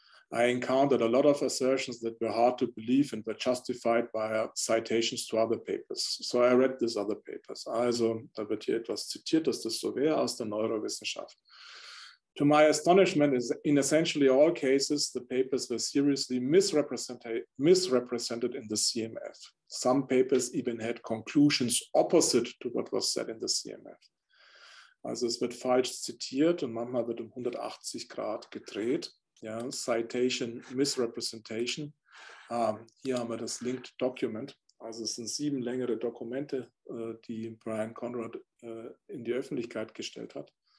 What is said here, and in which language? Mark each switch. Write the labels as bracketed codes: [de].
[en] I encountered a lot of assertions that were hard to believe and were justified by citations to other papers. So I read these other papers. [de] Also, da wird hier etwas zitiert, das ist das Sauvet aus der Neurowissenschaft. [en] To my astonishment, in essentially all cases, the papers were seriously misrepresented in the CMF. Some papers even had conclusions opposite to what was said in the CMF. [de] Also es wird falsch zitiert und manchmal wird um 180 Grad gedreht. Ja, Citation Misrepresentation. Hier haben wir das Linked Document. Also es sind 7 längere Dokumente, die Brian Conrad in die Öffentlichkeit gestellt hat.